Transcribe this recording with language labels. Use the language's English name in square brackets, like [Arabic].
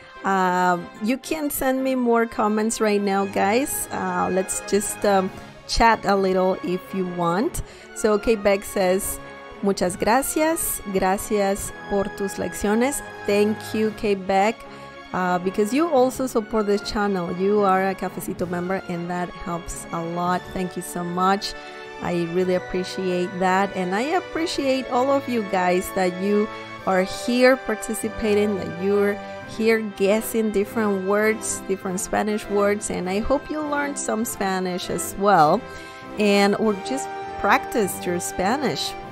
[English] You can send me more comments right now, guys. Let's just chat a little if you want. So Beck says, [Spanish] muchas gracias, gracias por tus lecciones. [English] Thank you, Beck, because you also support this channel. You are a Cafecito member and that helps a lot. Thank you so much. I really appreciate that, and I appreciate all of you guys that you are here participating, that you're here guessing different words, different Spanish words, and I hope you learned some Spanish as well, and or just practiced your Spanish.